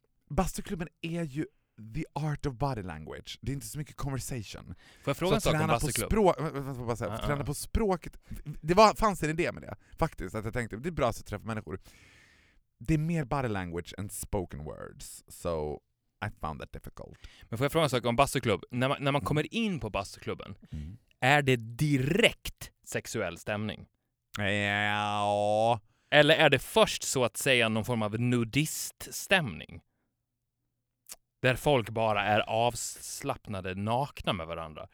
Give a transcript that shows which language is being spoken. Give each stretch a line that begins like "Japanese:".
Swedish: Bastuklubben är ju
English: the art of body language.
Swedish: Det är inte så mycket conversation. Får jag fråga en sak om bastuklubben? Träna på språket. Det var, fanns en idé med det faktiskt. Att jag tänkte, det är bra att träffa människor. Det är mer body language än
English: spoken words. So I found that difficult.
Swedish: Men får jag fråga en sak om bastuklubben? När man kommer in på bastuklubben, är det direkt sexuell stämning? Ja. Eller är det först så att säga någon form av nudiststämning? Där folk bara är avslappnade, nakna med varandra.